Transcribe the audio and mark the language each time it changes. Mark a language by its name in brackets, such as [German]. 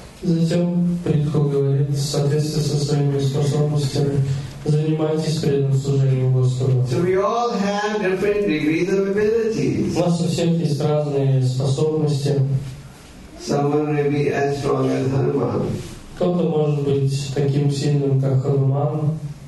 [Russian] Затем Притху говорит, в соответствии со своими способностями, занимайтесь преданным служением Господу. [English] So we all have different degrees of abilities. [Russian] У нас у всех есть разные способности. [English] Someone may be as strong as Hanuman. [Russian] Кто-то может быть таким сильным, как Хануман.